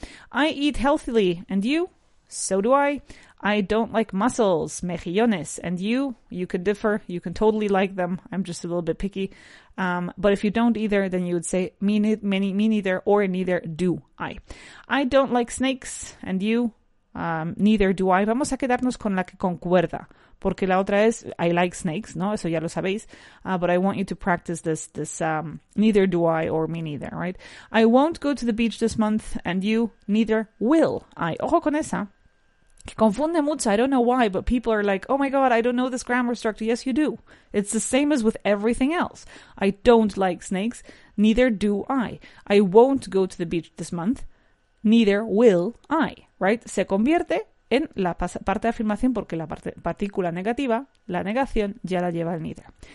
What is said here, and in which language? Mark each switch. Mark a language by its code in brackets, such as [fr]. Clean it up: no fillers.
[en] I eat healthily, and you? So do I. I don't like mussels, mejillones, and you? You could differ, you can totally like them, I'm just a little bit picky, but if you don't either, then you would say, me neither, or neither do I. I don't like snakes, and you? Neither do I. [es] Vamos a quedarnos con la que concuerda, porque la otra es [en] I like snakes, [es] ¿no? Eso ya lo sabéis. [en] But I want you to practice this neither do I or me neither, right? I won't go to the beach this month, and you neither will I. [es] Ojo con esa. Que confunde mucho. [en] I don't know why, but people are like, oh my God, I don't know this grammar structure. Yes, you do. It's the same as with everything else. I don't like snakes. Neither do I. I won't go to the beach this month. Neither will I, right? [es] Se convierte en la parte de afirmación porque la partícula negativa, la negación, ya la lleva el neither.